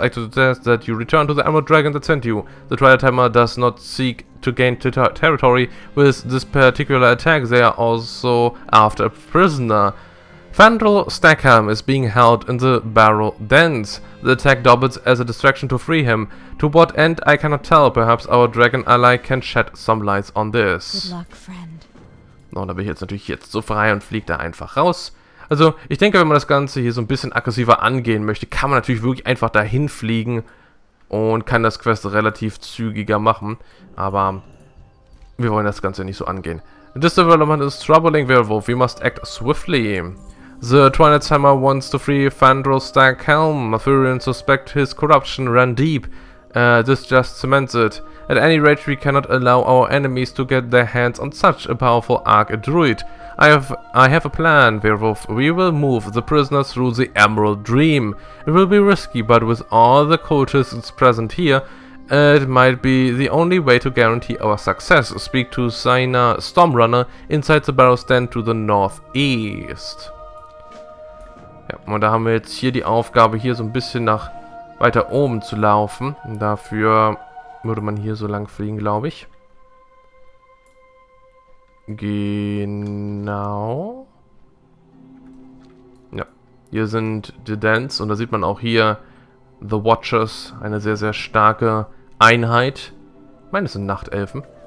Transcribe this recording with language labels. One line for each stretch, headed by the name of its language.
English: I suggest that you return to the Emerald Dragon that sent you. The Tridatimer does not seek to gain territory with this particular attack. They are also after a prisoner. Fandral Stackham is being held in the Barrel Dens. The attack doubles as a distraction to free him. To what end, I cannot tell. Perhaps our dragon ally can shed some lights on this. Good luck, friend.
German: Nun, da bin ich jetzt natürlich jetzt so frei und fliegt da einfach raus. Also, ich denke, wenn man das Ganze hier so ein bisschen aggressiver angehen möchte, kann man natürlich wirklich einfach dahin fliegen und kann das Quest relativ zügiger machen. Aber wir wollen das Ganze nicht so angehen.
English: This development is troubling, Werewolf. We must act swiftly. The Twinetimer wants to free Fandral Stackhelm. Mathurin suspect his corruption ran deep. This just cements it. At any rate, we cannot allow our enemies to get their hands on such a powerful Arch-Druid. I have a plan, Werewolf. We will move the prisoner through the Emerald Dream. It will be risky, but with all the cultists present here, it might be the only way to guarantee our success. Speak to Saina Stormrunner inside the Barrow Stand to the northeast.
German: Ja, und da haben wir jetzt hier die Aufgabe, hier so ein bisschen nach weiter oben zu laufen. Dafür würde man hier so lang fliegen, glaube ich. Genau. Ja, hier sind die Dents und da sieht man auch hier The Watchers, eine sehr, sehr starke Einheit. Ich meine, es sind Nachtelfen.